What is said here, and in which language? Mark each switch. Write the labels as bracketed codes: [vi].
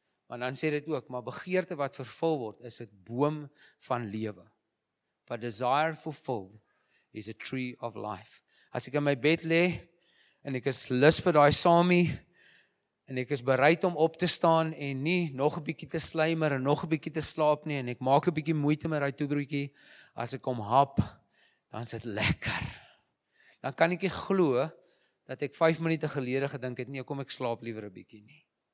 [af] Maar dan sê dit ook, maar begeerte wat vervul word, is het boom van lewe. [en] But desire fulfilled is a tree of life. [af] As ek in my bed lê, en ek is lus vir daai samie, en ek is bereid om op te staan, en nie nog 'n bietjie te slymer, en nog 'n bietjie te slaap nie, en ek maak 'n bietjie moeite met daai toebroodjie, as ek hom hap, dan is dit lekker. Dan kan ek nie glo dat ek 5 minute gelede gedink het, nee, kom ek slaap liever 'n bietjie nie.